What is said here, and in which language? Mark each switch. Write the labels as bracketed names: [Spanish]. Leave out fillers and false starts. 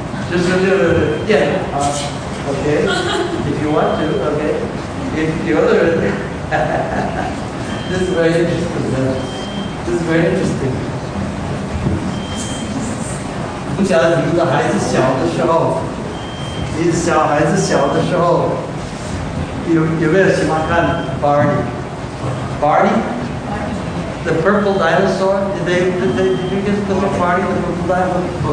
[English] Just a little bit, yeah, okay, if you want to, okay, if the other, this is very interesting. [Chinese] 不晓得你的孩子小的时候，你的小孩子小的时候，有没有喜欢看 Barney? [English] Barney? The purple dinosaur? Did you get to the Barney, the purple dinosaur?